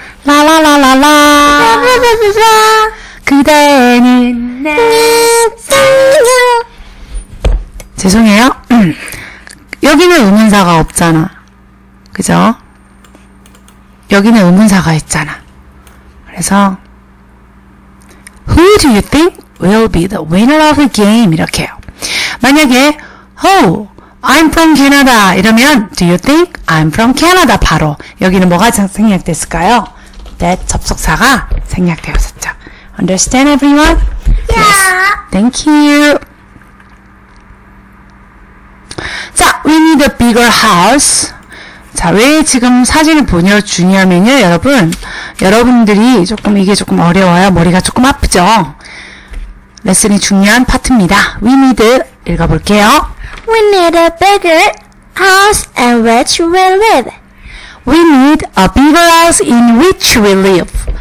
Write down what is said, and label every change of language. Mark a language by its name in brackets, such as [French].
[Korean] 라라라라라. 라라라라라. 그대는 내 사랑. 죄송해요. 여기는 의문사가 없잖아. 그죠? 여기는 의문사가 있잖아. 그래서 [English] Who do you think will be the winner of the game? [Korean] 이렇게 요. 만약에 [English] Oh, I'm from Canada. [Korean] 이러면 [English] Do you think I'm from Canada? [Korean] 바로 여기는 뭐가 생략됐을까요? That 접속사가 생략되었었죠. [English] Understand everyone? Yeah. Yes. Thank you. 자, we need a bigger house. [Korean] 자, 왜 지금 사진을 보여주냐면요, 여러분. 여러분들이 조금 이게 조금 어려워요. 머리가 조금 아프죠? 레슨이 중요한 파트입니다. [English] We need, [Korean] 읽어볼게요. [English] We need a bigger house in which we live. We need a bigger house in which we live.